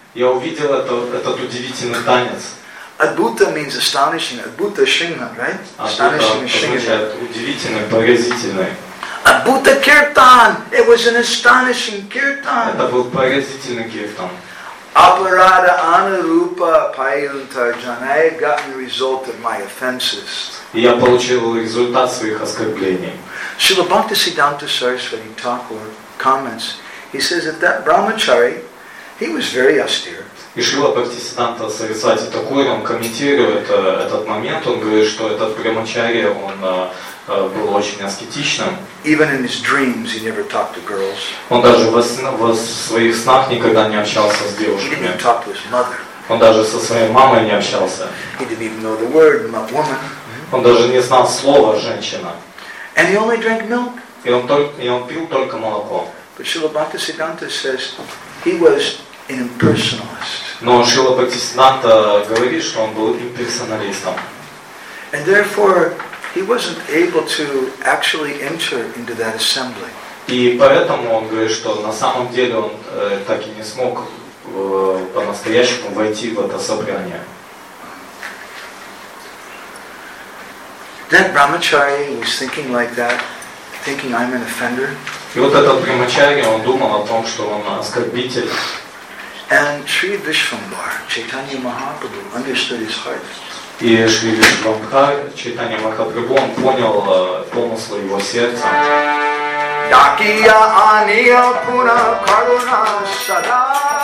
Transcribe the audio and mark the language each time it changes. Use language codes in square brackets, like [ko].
[ru] Я увидел этот удивительный танец. [en] Adbhuta means astonishing. Adbhuta shingha, right? Astonishing shingha. [ru] Удивительный, поразительный. [en] Adbhuta kirtan. It was an astonishing kirtan. [ru] Это был поразительный киртан. [bn] Aparada anarupa payuntarjana. [en] I had gotten the result of my offenses. [ru] Я получил результат своих оскорблений. [en] Srila Bhaktisiddhanta Saraswati Thakur comments. He says that that brahmachari, he was very austere. [ru] И Шрила Бхактисиддханта Сарасвати Такур, он комментирует этот момент. Он говорит, что этот брамачари, он был очень аскетичным. [en] Even in his dreams, he never talked to girls. [ru] Он даже в своих снах никогда не общался с девушками. [en] He didn't talk to his mother. [ru] Он даже со своей мамой не общался. [en] He didn't even know the word, not woman. [ru] Он даже не знал слова «женщина». [en] And he only drank milk. [ru] И он пил только молоко. [en] But Srila Bhaktisiddhanta says he was an impersonalist. [ru] Но Шрила Бхактисиддханта говорит, что он был имперсоналистом. [en] And therefore, he wasn't able to actually enter into that assembly. [ru] И поэтому он говорит, что на самом деле он так и не смог по-настоящему войти в это собрание. [en] That brahmachari was thinking like that, thinking I'm an offender. [ru] И вот этот брамачарья, он думал о том, что он оскорбитель. [en] And Sri Vishvambhar, Chaitanya Mahaprabhu, understood his heart. [ru] И Шри Вишнубха Чайтанья Махапрабху, он понял помыслы его сердца. [bn] Дакия ания пуна каруна сада.